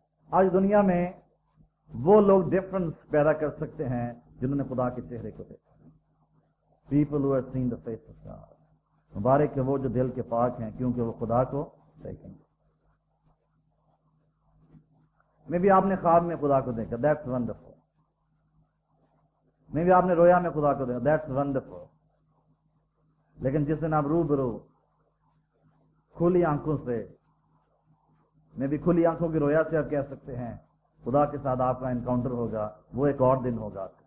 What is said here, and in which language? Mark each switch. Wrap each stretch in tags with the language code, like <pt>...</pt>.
<ur>آج دنیا میں وہ لوگ ڈفرنس پیدا کر سکتے ہیں جنہوں نے خدا کے چہرے کو دیکھا.</ur> <en>People who have seen the face of God.</en> <ur>مبارک ہے وہ جو دل کے پاک ہیں, کیونکہ وہ خدا کو دیکھیں گے. میں بھی آپ نے خواب میں خدا کو دیکھا,</ur> <en>That's wonderful.</en> <ur>میں بھی آپ نے رویا میں خدا کو دیکھا, دیٹس ونڈرفل. لیکن جس دن آپ روبرو کھلی آنکھوں سے, میں بھی کھلی آنکھوں کی رویا سے آپ کہہ سکتے ہیں, خدا کے ساتھ آپ کا انکاؤنٹر ہوگا, وہ ایک اور دن ہوگا.</ur>